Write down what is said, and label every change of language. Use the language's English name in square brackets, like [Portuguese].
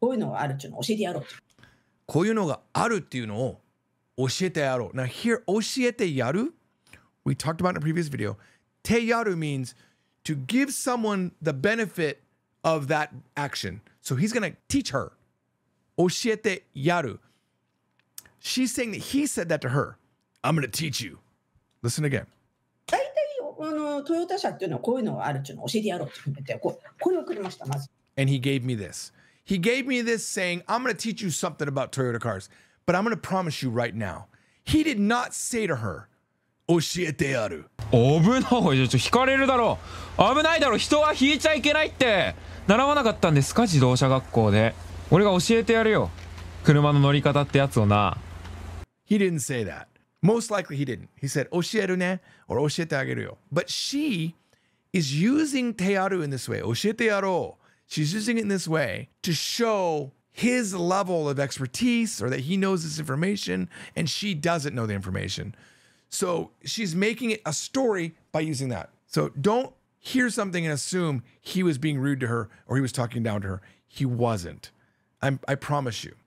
[Japanese] こういうのがあるっていうのを教えてやろう。こういうのがあるっていうのを教えてやろう。 [English] Now here, 教えてやる We talked about in a previous video. てやる means to give someone the benefit of that action. So he's going to teach her. [Japanese] 教えてやる。 [English] She's saying that he said that to her. I'm going to teach you. Listen again. [Japanese] トヨタ車っていうのはこういうのがあるっていうのを教えてやろうって言って、これを送りました、まず。 [English] and he gave me this. He gave me this saying, I'm going to teach you something about Toyota cars, but I'm going to promise you right now. He did not say to her, [Japanese] 教えてやる。危ない。ちょっと引かれるだろう。危ないだろう。人は引いちゃいけないって。習わなかったんですか、自動車学校で。俺が教えてやるよ。車の乗り方ってやつをな。 [English] He didn't say that. Most likely he didn't. He said, [Japanese] 教えるね。俺教えてあげるよ。 [English] But she is using てやる in this way. [Japanese] 教えてやろう。 [English] She's using it in this way to show his level of expertise or that he knows this information and she doesn't know the information. So she's making it a story by using that. So don't hear something and assume he was being rude to her or he was talking down to her. He wasn't. I promise you.